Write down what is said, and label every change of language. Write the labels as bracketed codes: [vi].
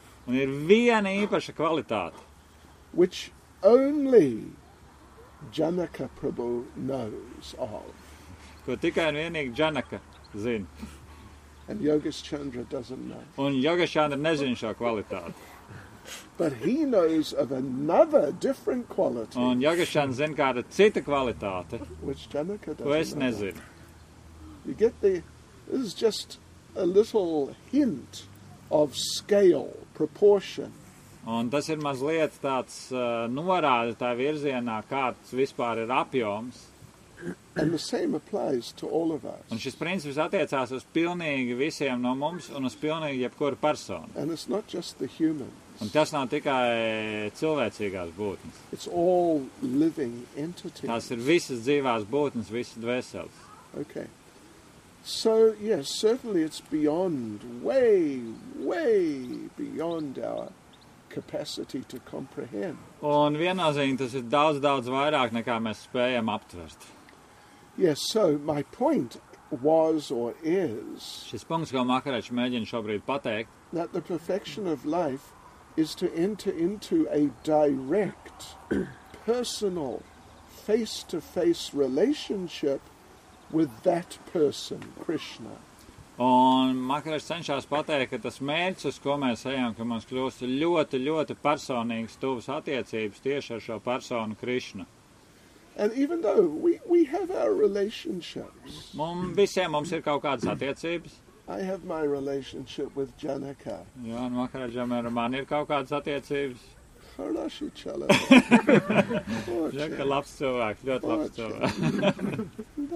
[lv] Un ir viena īpaša kvalitāte. [en] Which only Janaka Prabhu knows of. [lv] Ko tikai un vienīgi Janaka zina. [en] And Yogeshchandra doesn't know. [lv] Un Yogeshchandra nezina šo kvalitāti. [en] But he knows of another different quality. [lv] Un Yogeshchandra zina kāda cita kvalitāte. [en] Which Janaka doesn't [lv] ko es nezinu. [en] Know. You get the... This is just a little hint of scale, proportion. [lv] Un tas ir mazliet tāds norāde tā virzienā, kāds vispār ir apjoms. [en] And the same applies to all of us. [lv] Un šis princips attiecās uz pilnīgi visiem no mums un uz pilnīgi jebkuru personu. [en] And it's not just the humans. [lv] Un tas nav tikai cilvēcīgās būtnes. [en] It's all living entities. [lv] Tās ir visas dzīvās būtnes, visas dvēseles. [en] Okay. So, yes, certainly it's beyond, way, way beyond our capacity to comprehend. [lv] Un viennozīmīgi tas ir daudz, daudz vairāk, nekā mēs spējam aptvert. [en] Yes, so my point was or is... [lv] Šis punkts, ko Makarēč mēģina šobrīd pateikt... [en] ...that the perfection of life is to enter into a direct, personal, face-to-face relationship with that person, Krishna. [lv] Un Makarēč cenšās pateikt, ka tas mērķis, uz ko mēs ejam, ka mums kļūst ļoti, ļoti personīgas tuvas attiecības tieši ar šo personu, Krishna. [en] And even though we have our relationships. [lv] Visiem mums ir kaut kādas attiecības. [en] I have my relationship with Janaka. [lv] Jā, un Makarēčam ar mani ir kaut kādas attiecības. Harashi Chalo. Žaka, labs cilvēks, ļoti labs cilvēks.